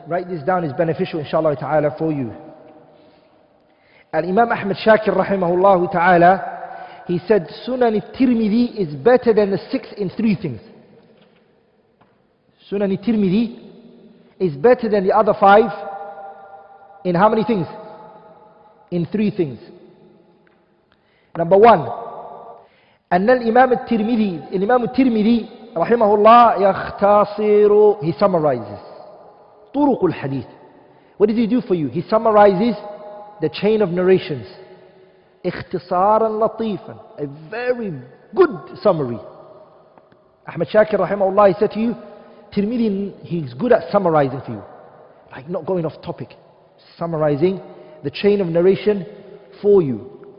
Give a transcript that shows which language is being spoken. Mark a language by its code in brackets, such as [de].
[en] Write this down, it's beneficial inshallah ta'ala for you. Al-Imam Ahmad Shakir rahimahullah ta'ala, he said Sunan al-Tirmidhi is better than the sixth in three things. Sunan al-Tirmidhi is better than the other five in how many things? In three things. Number one, [ar] أن الإمام الترمذي, الإمام الترمذي رحمه الله يختصر, [en] he summarizes [ar] طرق الحديث. [en] What does he do for you? He summarizes the chain of narrations. [ar] اختصارا لطيفا, [en] a very good summary. Ahmad Shakir رحمه الله, he said to you, Tirmidhi, he's good at summarizing for you, like not going off topic, summarizing the chain of narration for you.